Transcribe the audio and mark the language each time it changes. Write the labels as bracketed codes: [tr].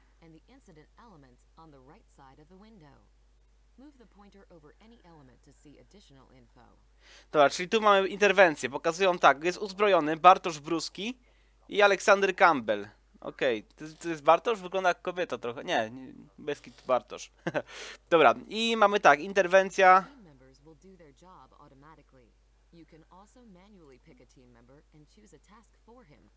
[en] And the incident elements on the right side of the window. Move the pointer over any element to see additional info. [pl] Dobra, czyli tu mamy interwencję. Pokazują tak, jest uzbrojony Bartosz Bruski i Aleksander Campbell. Okej, okay. To jest Bartosz? Wygląda jak kobieta trochę. Nie, Beskid to Bartosz. Dobra, i mamy tak, interwencja. [en] Team members will do their job automatically. You can also manually pick a team member and choose a task for him.